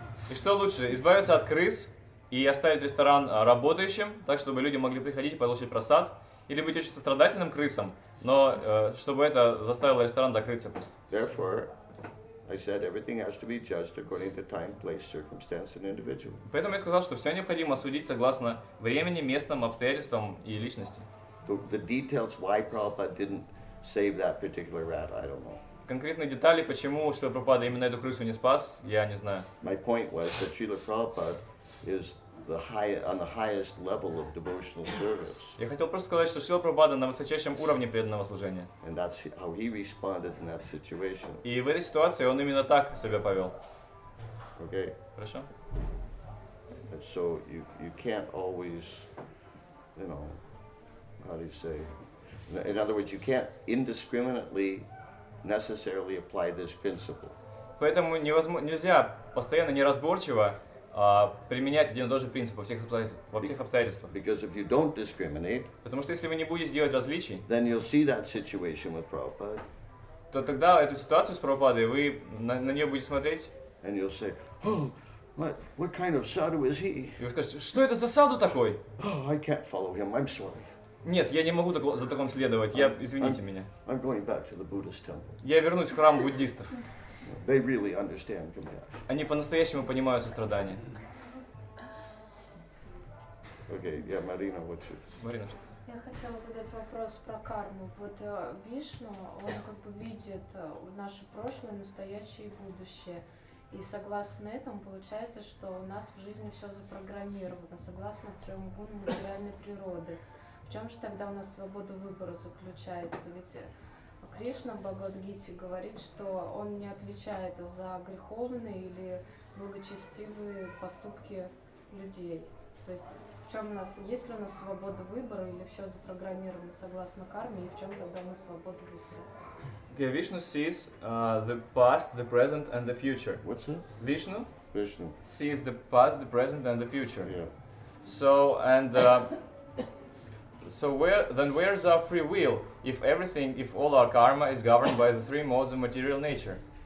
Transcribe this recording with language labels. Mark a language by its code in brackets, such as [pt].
[ru] И что лучше, избавиться от крыс и оставить ресторан работающим, так чтобы люди могли приходить и получить просад, или быть очень сострадательным крысам, но чтобы это заставило ресторан закрыться просто. [en] Therefore, I said everything has to be judged according to time, place, circumstance, and individual. [ru] Поэтому я сказал, что все необходимо судить согласно времени, местным обстоятельствам и личности. [en] The details why Prabhupada didn't save that particular rat, I don't know. [ru] Конкретные детали, почему Шрила Прабхупада именно эту крысу не спас, я не знаю. [en] My point was that Шрила Прабхупада is on the highest level of devotional service. [ru] Я хотел просто сказать, что Шрила Прабхупада на высочайшем уровне преданного служения. [en] And that's how he responded in that situation. [ru] И в этой ситуации он именно так себя повел. [en] Okay. [ru] Хорошо. [en] And so you can't always, you know, how do you say? In other words, you can't indiscriminately necessarily apply this principle. [ru] Поэтому нельзя постоянно неразборчиво применять один и тот же принцип во всех обстоятельствах. [en] Because if you don't discriminate, [ru] потому что если вы не будете делать различий, [en] then you'll see that situation with Prabhupada. [ru] То тогда эту ситуацию с Прабхупадой вы на нее будете смотреть. [en] And you'll say, oh, what kind of sadhu is he? [ru] И вы скажете, что это за саду такой? [en] Oh, I can't follow him. I'm sorry. [ru] Нет, я не могу за таком следовать. Извините меня. [en] I'm going back to the Buddhist temple. [ru] Я вернусь в храм буддистов. [en] They really understand compassion. [ru] Они по-настоящему понимают сострадание. [en] Окей, okay, yeah, Марина, what's your... [ru] Марина, что? Я хотела задать вопрос про карму. Вот Вишну, он как бы видит наше прошлое, настоящее и будущее. И согласно этому получается, что у нас в жизни все запрограммировано, согласно тремгуну материальной природы. В чем же тогда у нас свобода выбора заключается? Ведь Кришна в Бхагавад-гите говорит, что он не отвечает за греховные или благочестивые поступки людей. То есть в чем у нас, есть ли у нас свобода выбора или все запрограммировано согласно карме, и в чем тогда мы свобода выбора? [en] Okay, Vishnu sees the past, the present, and the future. What's that? Vishnu? Vishnu. Sees the past, the present, and the future. Yeah. So, and so where then where's our free will if everything, if all our karma is governed by the three modes of material nature?